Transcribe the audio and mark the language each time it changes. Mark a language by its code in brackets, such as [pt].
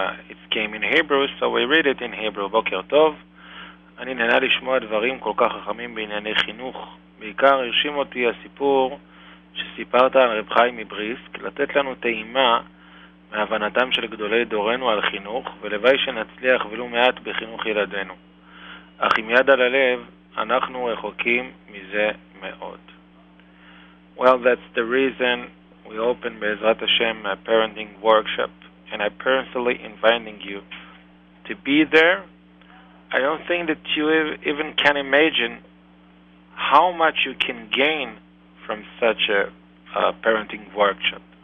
[en] It came in Hebrew, so we read it in Hebrew. [he] Boker tov. אני נהנה לשמוע דברים כל כך חכמים בענייני חינוך. בעיקר הרשים אותי הסיפור שסיפרת על רב חיים מבריסק, לתת לנו טעימה מהבנתם של גדולי דורנו על חינוך, ולוואי שנצליח ולו מעט בחינוך ילדינו. אך עם יד על הלב, אנחנו רחוקים מזה מאוד. [en] Well, that's the reason we open [he] בעזרת השם [en] a parenting workshop, and I personally inviting you to be there. I don't think that you even can imagine how much you can gain from such a parenting workshop.